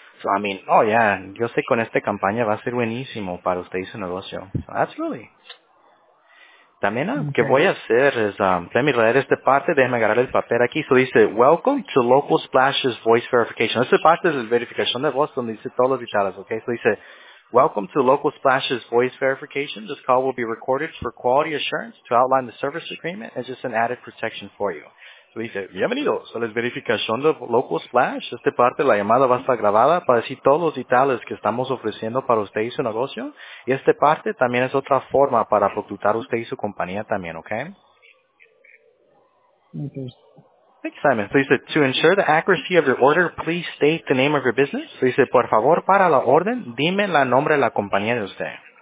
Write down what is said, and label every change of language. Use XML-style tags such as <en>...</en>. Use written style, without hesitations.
<en>So, I mean, oh, yeah,</en> <es>yo sé que con esta campaña va a ser buenísimo para usted y su negocio.</es> <en>So, absolutely.</en> <es>También, okay. ¿Qué voy a hacer? Es, déjame leer esta parte, déjame agarrar el papel aquí. So dice,</es> <en>welcome to Local Splash's voice verification.</en> <es>Esta parte es la verificación de voz donde dice todos los detalles, ¿ok?</es> <en>So dice, welcome to Local Splash's voice verification. This call will be recorded for quality assurance to outline the service agreement and just an added protection for you.</en> <es>So dice, bienvenidos a la verificación de Local Splash. Esta parte, la llamada va a estar grabada para decir todos los detalles que estamos ofreciendo para usted y su negocio. Y esta parte también es otra forma para reclutar usted y su compañía también, ¿ok?</es> <en>Okay. Thank you, Simon. So dice, to ensure the accuracy of your order, please state the name of your business.</en> <es>So dice, por favor, para la orden, dime el nombre de la compañía de usted.</es>